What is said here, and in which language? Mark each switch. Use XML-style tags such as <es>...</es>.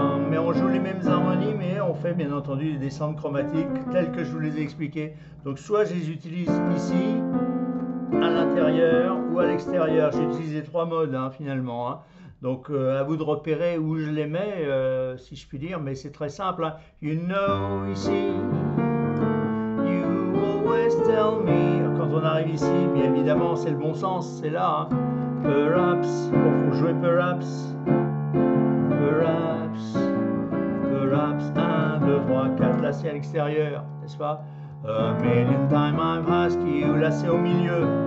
<fr>Mais on joue les mêmes harmonies, mais on fait bien entendu des descentes chromatiques telles que je vous les ai expliquées. Donc soit je les utilise ici, à l'intérieur ou à l'extérieur. J'ai utilisé trois modes, hein, finalement. Hein. Donc, à vous de repérer où je les mets, si je puis dire, mais c'est très simple. Hein.</fr> <en>You know, ici, you always tell me.</en> <fr>Quand on arrive ici, bien évidemment, c'est le bon sens, c'est là. Hein. Perhaps, bon, faut jouer perhaps.</fr> <en>Perhaps, perhaps,</en> <fr>1, 2, 3, 4, là, c'est à l'extérieur, n'est-ce pas?</fr> <en>A million times I've asked you,</en> <fr>là c'est au milieu.</fr>